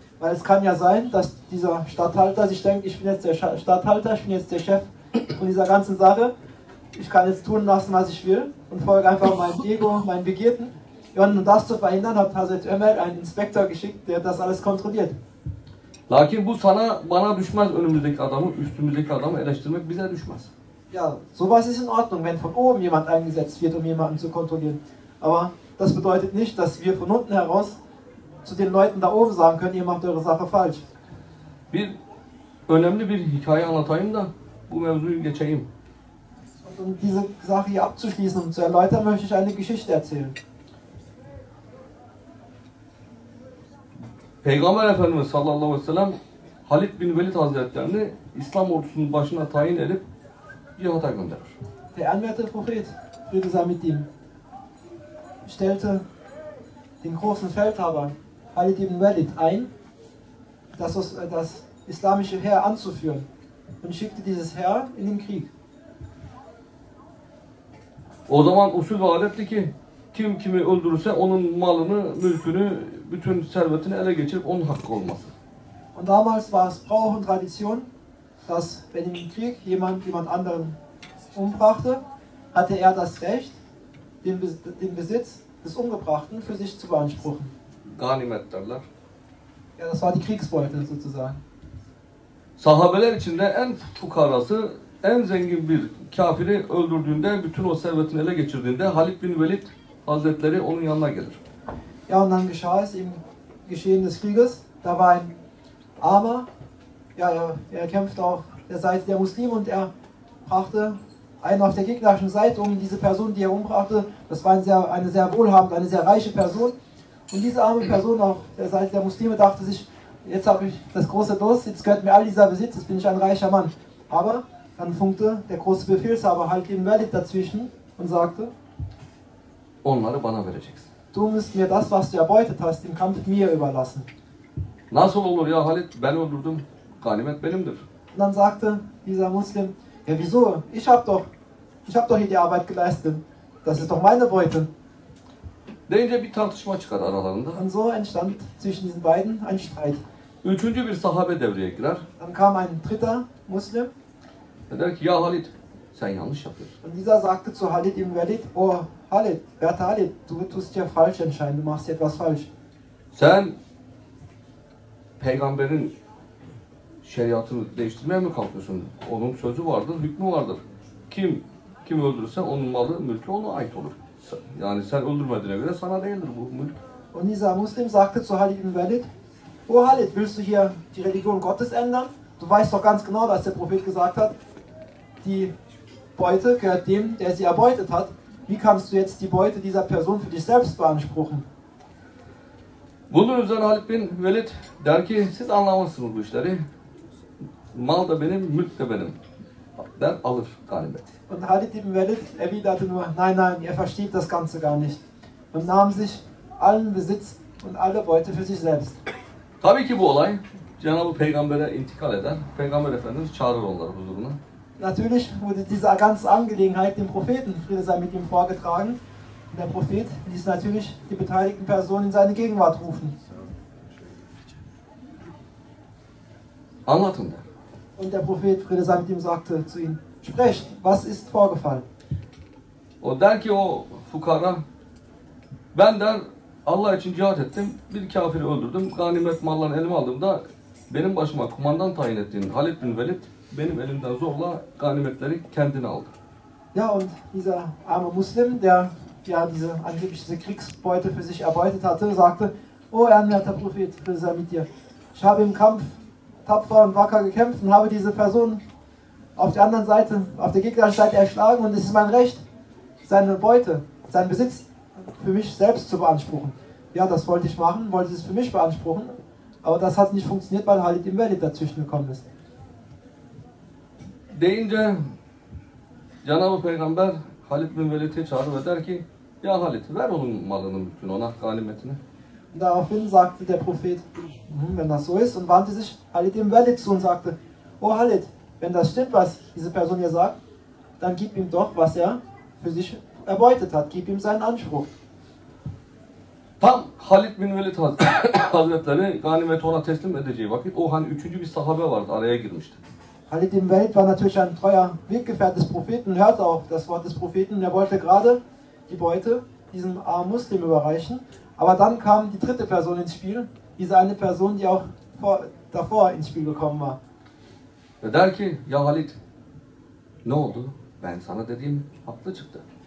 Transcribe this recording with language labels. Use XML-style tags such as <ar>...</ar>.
<de>Weil es kann ja sein, dass dieser Statthalter sich denkt, ich bin jetzt der Statthalter, ich bin jetzt der Chef von dieser ganzen Sache. Ich kann jetzt tun lassen, was ich will und folge einfach meinem Ego, meinen Begierden. Und um das zu verhindern, hat Hazreti Ömer einen Inspektor geschickt, der das alles kontrolliert.</de> <tr>Lakin bu sana bana düşmez, önümüzdeki adamı, üstümüzdeki adamı eleştirmek bize düşmez.</tr> <de>Ja, sowas ist in Ordnung, wenn von oben jemand eingesetzt wird, um jemanden zu kontrollieren. Aber das bedeutet nicht, dass wir von unten heraus zu den Leuten da oben sagen können, ihr macht eure Sache falsch.</de> <tr>Bir önemli bir hikaye anlatayım da bu mevzuyu geçeyim.</tr> <de>Und um diese Sache hier abzuschließen und zu erläutern, möchte ich eine Geschichte erzählen.</de> <tr>Peygamber Efendimiz sallallahu aleyhi ve sellem Halid bin Velid Hazretlerini İslam ordusunun başına tayin edip cihata gönderir.</tr> <de>Der Anwärter Prophet, Friede sei mit ihm, stellte den großen Feldherrn Halid ibn Walid ein, das islamische Heer anzuführen und schickte dieses Heer in den Krieg.</de> <tr>O zaman usul ve adetti ki kim kimi öldürürse onun malını, mülkünü, bütün servetini ele geçirip onun hakkı olması.</tr> <de>Und damals war es Brauch und Tradition, dass wenn im Krieg jemand anderen umbrachte, hatte er das Recht, den Besitz des Umgebrachten für sich zu beanspruchen.</de> <tr>Ganimet derler.</tr> <de>Ja, das war die Kriegsbeute sozusagen.</de> <tr>Sahabeler içinde en fukarası, en zengin bir kafiri öldürdüğünde, bütün o servetini ele geçirdiğinde Halid bin Velid Hazretleri onun yanına gelir.</tr> <de>Ja, und dann geschah es im Geschehen des Krieges. Da war ein Armer, ja, er kämpfte auf der Seite der Muslime und er brachte einen auf der gegnerischen Seite um. Diese Person, die er umbrachte, das war eine sehr wohlhabende, eine sehr reiche Person. Und diese arme Person auf der Seite der Muslime dachte sich, jetzt habe ich das große Los, jetzt gehört mir all dieser Besitz, jetzt bin ich ein reicher Mann. Aber dann funkte der große Befehlshaber Halid ibn Walid dazwischen und sagte,</de> <tr>onları bana vereceksin.</tr> <de>Du musst mir das, was du erbeutet hast, im Kampf mir überlassen.</de> <tr>Nasıl olur ya Halid, ben öldürdüm, ganimet benimdir.</tr> <de>Und dann sagte dieser Muslim, ja wieso, ich hab doch hier die Arbeit geleistet, das ist doch meine Beute.</de> <tr>Deyince bir tartışma çıkar aralarında.</tr> <de>Und so entstand zwischen diesen beiden ein Streit.</de> <tr>Üçüncü bir sahabe devreye girer.</tr> <de>Dann kam ein dritter Muslim.</de> <tr>Er der ki, ya Halid, sen yanlış yapıyorsun.</tr> <de>Und dieser sagte zu Halid ibn Walid, oh Halid, werter Halid, du tust ja falsch entscheiden, du machst etwas falsch.</de> <tr>Sen peygamberin şeriatını değiştirmeye mi kalkıyorsun? Onun sözü vardır, hükmü vardır. Kim öldürürse onun malı, mülkü ona ait olur. Yani sen öldürmediğine göre sana değildir bu mülk.</tr> <de>Und dieser Muslim sagte zu Halid ibn Walid, oh Halid, willst du hier die Religion Gottes ändern? Du weißt doch ganz genau, was der Prophet gesagt hat, die Beute gehört dem, der sie erbeutet hat. Wie kannst du jetzt die Beute dieser Person für dich selbst beanspruchen?</de> <tr>Bunun üzerine Halid bin Velid der ki, siz anlamazsınız bu işleri. Mal da benim, mülk de benim. Der alır ganimeti.</tr> <de>Und Halid ibn Velid erwiderte nur, nein, nein, ihr versteht das Ganze gar nicht. Und nahm sich allen Besitz und alle Beute für sich selbst.</de> <tr>Tabii ki bu olay Cenab-ı Peygamber'e intikal eder. Peygamber Efendimiz çağırır onları huzuruna.</tr> <de>Natürlich wurde diese ganze Angelegenheit dem Propheten, Friede sei mit ihm, vorgetragen. Und der Prophet ließ natürlich die beteiligten Personen in seine Gegenwart rufen.</de> <tr>Anlatın da.</tr> <de>Und der Prophet, Friede sei mit ihm, sagte zu ihm: Sprecht, was ist vorgefallen?</de> <tr>O der ki o fukara, ben der Allah için cihat ettim, bir kafiri öldürdüm, ganimet mallarını elime aldım da benim başıma kumandan tayin ettiğin Halid bin Velid benim elimden zorla ganimetleri kendine aldı.</tr> <de>Ja, und dieser arme Muslim, der ja diese angeblich diese Kriegsbeute für sich erbeutet hatte, sagte: O ehrenwerter Prophet, Friede sei mit dir, ich habe im Kampf tapfer und wacker gekämpft und habe diese Person auf der anderen Seite, auf der gegnerischen Seite erschlagen und es ist mein Recht, seine Beute, seinen Besitz für mich selbst zu beanspruchen. Ja, das wollte ich machen, wollte es für mich beanspruchen, aber das hat nicht funktioniert, weil Halid ibn Velid dazwischen gekommen ist.</de> <tr>Deyince Cenab-ı Peygamber Halid bin Velid'i çağırır ve der ki: Ya Halid, ver onun malını, bütün ona ganimetini.</tr> <de>Daraufhin sagte der Prophet: Wenn das so ist, und wandte sich Halid ibn Velid zu und sagte: O Halid, wenn das stimmt, was diese Person hier sagt, dann gib ihm doch, was er für sich erbeutet hat. Gib ihm seinen Anspruch.</de> <tr>Tam Halid bin Velid Hazretleri ganimeti ona teslim edeceği vakit, o hani üçüncü bir sahabe vardı, araya girmişti.</tr> <de>Halid ibn Velid war natürlich ein treuer Weggefährte des Propheten, hörte auch das Wort des Propheten, und er wollte gerade die Beute diesem armen Muslim überreichen. Aber dann kam die dritte Person ins Spiel, diese eine Person, die auch davor ins Spiel gekommen war.</de> <tr>Ve der ki: Ya Halid, ne oldu? Ben sana dediğim haklı çıktı.</tr>